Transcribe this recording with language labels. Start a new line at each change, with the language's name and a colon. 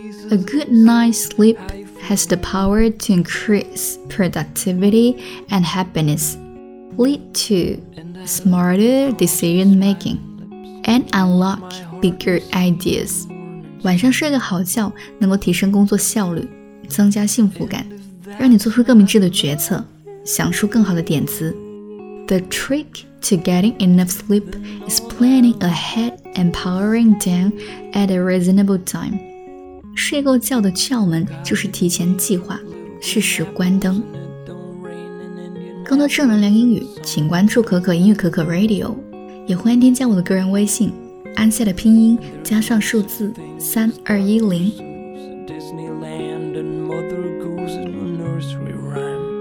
English: A good night's sleep has the power to increase productivity and happiness, lead to smarter decision making, and unlock bigger ideas.
Chinese: 晚上睡个好觉能够提升工作效率，增加幸福感，让你做出更明智的决策，想出更好的点子。
English: The trick to getting enough sleep is planning ahead and powering down at a reasonable time.
Chinese: 睡够觉的窍门就是提前计划，适时关灯。更多正能量英语，请关注可可英语可可 Radio， 也欢迎添加我的个人微信，安夏的拼音加上数字3210。